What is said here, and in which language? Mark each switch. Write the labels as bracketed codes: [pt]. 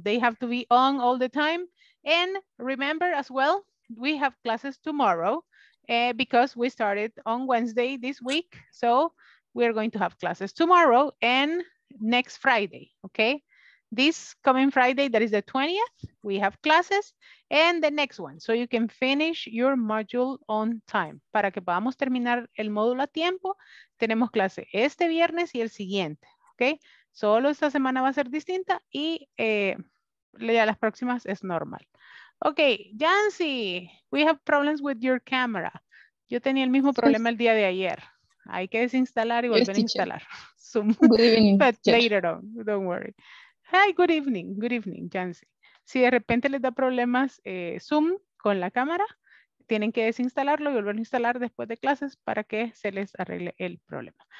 [en] They have to be on all the time. And remember as well, we have classes tomorrow because we started on Wednesday this week. So we are going to have classes tomorrow and next Friday, okay? This coming Friday, that is the 20th, we have classes and the next one. So you can finish your module on time. [es] Para que podamos terminar el módulo a tiempo, tenemos clase este viernes y el siguiente, okay? Solo esta semana va a ser distinta y ya las próximas es normal. [en] Okay, Yancy, we have problems with your camera. [es] Yo tenía el mismo problema el día de ayer. Hay que desinstalar y volver a instalar. [en] Zoom. Good evening, but later on, don't worry. Hi, good evening, Yancy. [es] Si de repente les da problemas Zoom con la cámara, tienen que desinstalarlo y volver a instalar después de clases para que se les arregle el problema.